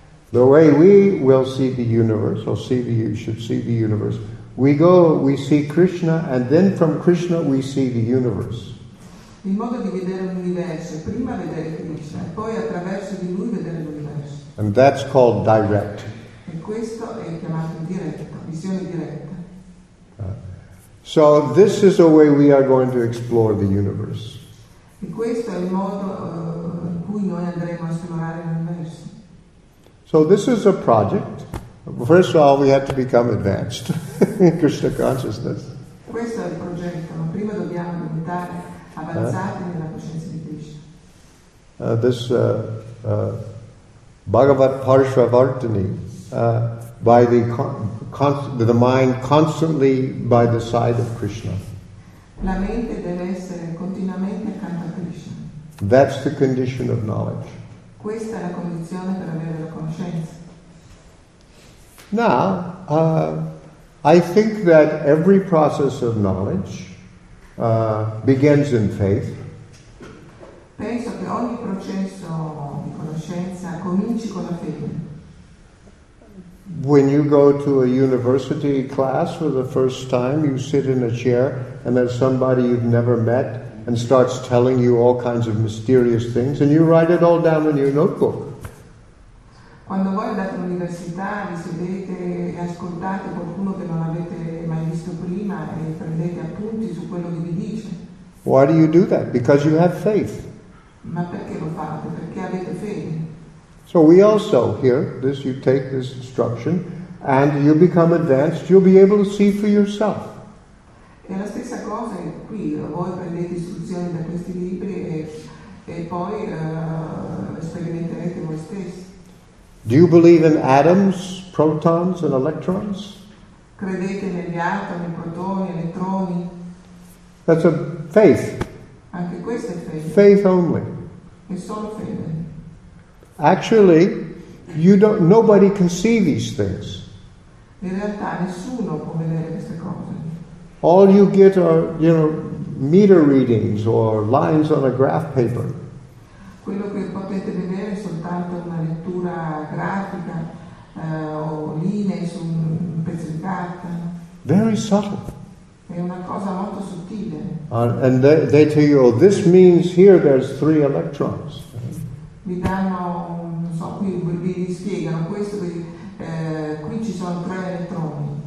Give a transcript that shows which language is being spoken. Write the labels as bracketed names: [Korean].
[English] The way we will see the universe, or see the, should see the universe, we go, we see Krishna, and then from Krishna we see the universe. [Italian] Il modo di vedere l'universo, prima vedere Krishna, poi attraverso di lui vedere l'universo. [English] And that's called direct. [Italian] E questo è chiamato diretto, visione diretta. [English] So this is a way we are going to explore the universe. [Italian] E questo è il modo cui noi andremo a esplorare l'universo. [English] So this is a project. First of all, we have to become advanced in Krishna consciousness. [Italian] Questo è il progetto, ma prima dobbiamo diventare avanzati nella coscienza di Krishna. [English] This Bhagavat Parshvavartini, by the mind constantly by the side of Krishna. [Italian] La mente deve essere continuamente accanto a Krishna. [English] That's the condition of knowledge. [Italian] Questa è la condizione per avere la conoscenza. [English] Now, I think that every process of knowledge begins in faith. [Italian] Penso che ogni processo di conoscenza cominci con la fede. [English] When you go to a university class for the first time, you sit in a chair and there's somebody you've never met and starts telling you all kinds of mysterious things and you write it all down in your notebook. [Italian] Quando voi andate all'università, vi sedete e ascoltate qualcuno che non avete mai visto prima e prendete appunti su quello che vi dice. [English] Why do you do that? Because you have faith. [Italian] Ma perché lo fate? Perché avete fede. [English] So we also hear this, you take this instruction and you become advanced, you'll be able to see for yourself. [Italian] È la stessa cosa qui, voi prendete istruzioni da questi libri e poi sperimenterete voi stessi. [English] Do you believe in atoms, protons, and electrons? [Italian] Credete negli atomi, protoni, elettroni? [English] That's a faith. [Italian] Anche questa è fede. [English] Faith only. [Italian] È solo fede. [English] Actually, you don't. Nobody can see these things. [Italian] In realtà, nessuno può vedere queste cose. [English] All you get are, you know, meter readings or lines on a graph paper. [Italian] Quello che potete vedere è soltanto una lettura grafica o linee su un pezzo di carta. [English] Very subtle. [Italian] È una cosa molto sottile. [English] And they tell you, oh, this means here there's three electrons. [Italian] Vi danno, non so, vi spiegano questo, qui ci sono tre elettroni.